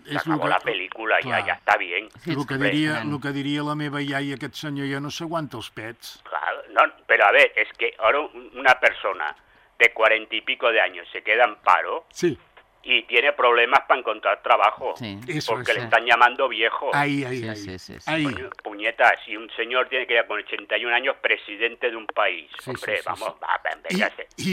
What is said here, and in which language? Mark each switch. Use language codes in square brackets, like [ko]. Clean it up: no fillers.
[es] Se acabó la película, ya está bien. [ca] Lo que diria la meva iaia, aquest senyor ja no s'aguanta els pets. [es] Claro, no, pero a ver, es que ahora una persona de 40 y pico de años se queda en paro. Sí. Y tiene problemas para encontrar trabajo, sí, porque eso, le están llamando viejo. Ahí, ahí, sí, ahí. Sí, sí, sí. Ahí. Puñeta, si un señor tiene que ir con 81 años presidente de un país, sí, hombre, sí, vamos, sí.